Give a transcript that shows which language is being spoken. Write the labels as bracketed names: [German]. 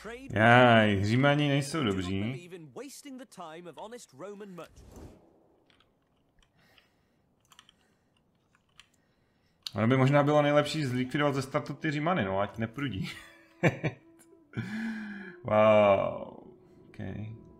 [Czech] Jaj, Římani nejsou dobří. [English] Do not believe in wasting the time of honest Roman merchants. [Czech] Ono by možná bylo nejlepší zlikvidovat ze startu ty Římany, no ať neprudí. [English] Wow, okay.